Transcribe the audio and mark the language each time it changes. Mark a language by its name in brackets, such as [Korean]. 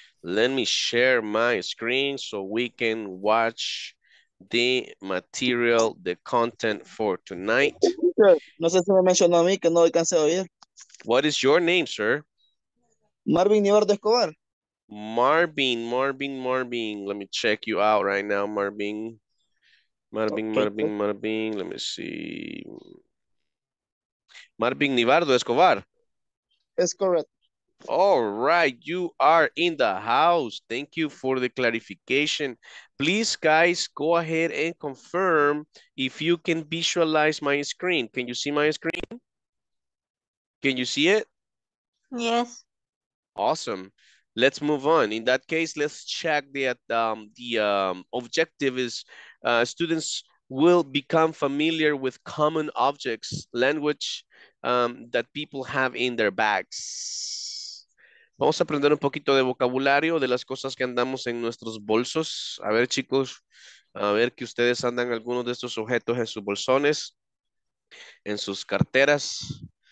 [English] Let me share my screen so we can watch the material, the content for tonight. [Spanish] No sé si me mencionó a mí, que no alcancé a oír. [English] What is your name, sir? Marvin Ibar de Escobar. Marvin. Let me check you out right now, Marvin. Marvin. Let me see. Marvin Nivardo Escobar. Es correct. All right, you are in the house. Thank you for the clarification. Please, guys, go ahead and confirm if you can visualize my screen. Can you see my screen? Can you see it? Yes. Awesome. Let's move on. In that case, let's check that the objective is students will become familiar with common objects, language that people have in their bags. [Spanish] Vamos a aprender un poquito de vocabulario de las cosas que andamos en nuestros bolsos. A ver, chicos, a ver que ustedes andan algunos de estos objetos en sus bolsones, en sus carteras.